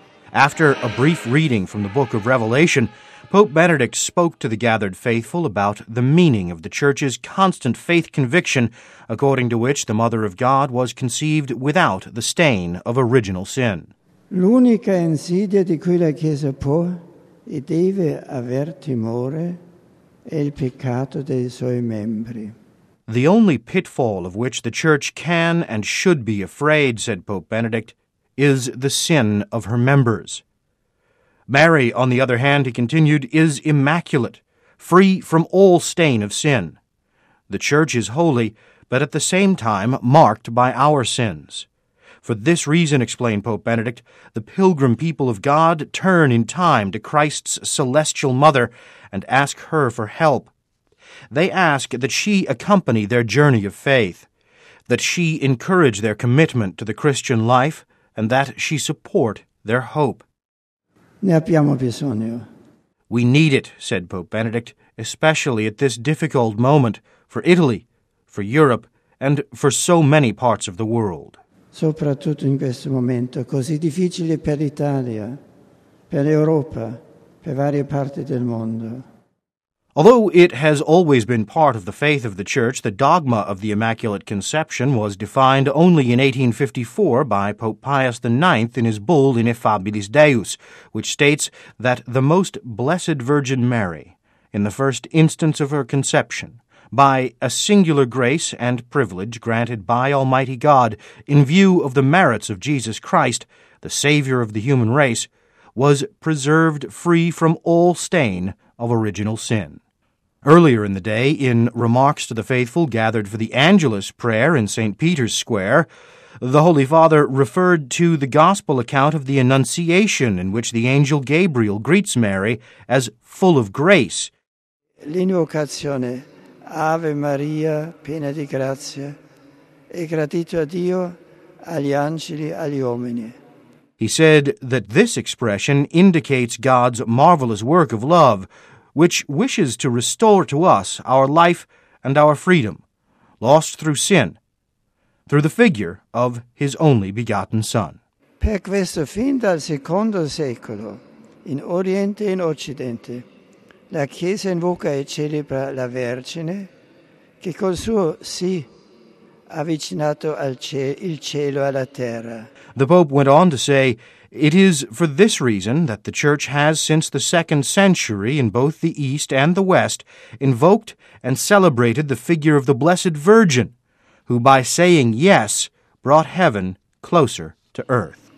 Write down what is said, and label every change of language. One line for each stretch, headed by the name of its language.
English: After a brief reading from the Book of Revelation, Pope Benedict spoke to the gathered faithful about the meaning of the Church's constant faith conviction, according to which the Mother of God was conceived without the stain of original sin.
Italian: L'unica insidia di cui la Chiesa può e deve aver timore è il peccato dei suoi membri.
English: The only pitfall of which the Church can and should be afraid, said Pope Benedict, is the sin of her members. Mary, on the other hand, he continued, is immaculate, free from all stain of sin. The Church is holy, but at the same time marked by our sins. For this reason, explained Pope Benedict, the pilgrim people of God turn in time to Christ's celestial mother and ask her for help. They ask that she accompany their journey of faith, that she encourage their commitment to the Christian life, and that she support their hope.
Italian: Ne abbiamo bisogno.
English: We need it, said Pope Benedict, especially at this difficult moment for Italy, for Europe, and for so many parts of the world.
Italian: Soprattutto in questo momento così difficile per l'Italia, per l'Europa, per varie parti del mondo.
English: Although it has always been part of the faith of the Church, the dogma of the Immaculate Conception was defined only in 1854 by Pope Pius IX in his bull Ineffabilis Deus, which states that the Most Blessed Virgin Mary, in the first instance of her conception, by a singular grace and privilege granted by Almighty God in view of the merits of Jesus Christ, the Savior of the human race, was preserved free from all stain of original sin. Earlier in the day, in remarks to the faithful gathered for the Angelus prayer in St. Peter's Square, the Holy Father referred to the Gospel account of the Annunciation in which the angel Gabriel greets Mary as full of grace.
Italian: L'invocazione, Ave Maria, piena di grazia, e gradito a Dio, agli angeli, agli uomini.
English: He said that this expression indicates God's marvelous work of love, which wishes to restore to us our life and our freedom, lost through sin, through the figure of His only begotten Son.
Italian: Per questo, fin dal secondo secolo, in Oriente e in Occidente, la Chiesa invoca e celebra la Vergine, che col suo sì avvicinato al il cielo alla terra.
English: The Pope went on to say, it is for this reason that the Church has, since the second century, in both the East and the West, invoked and celebrated the figure of the Blessed Virgin, who by saying yes, brought heaven closer to earth.